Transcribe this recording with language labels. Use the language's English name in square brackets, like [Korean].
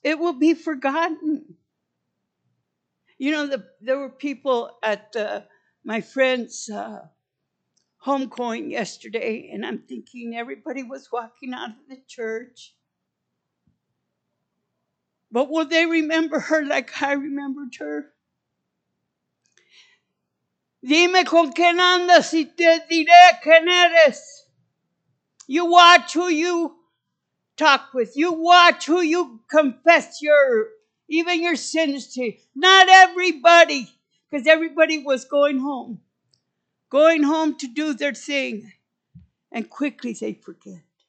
[English] It will be forgotten. You know, there were people at my friend's homecoming yesterday, and I'm thinking everybody was walking out of the church. But will they remember her like I remembered her? [Spanish] Dime con quien andas y te diré quien eres. [English] You watch who you talk with. You watch who you confess even your sins to. Not everybody, because everybody was going home. Going home to do their thing. And quickly they forget.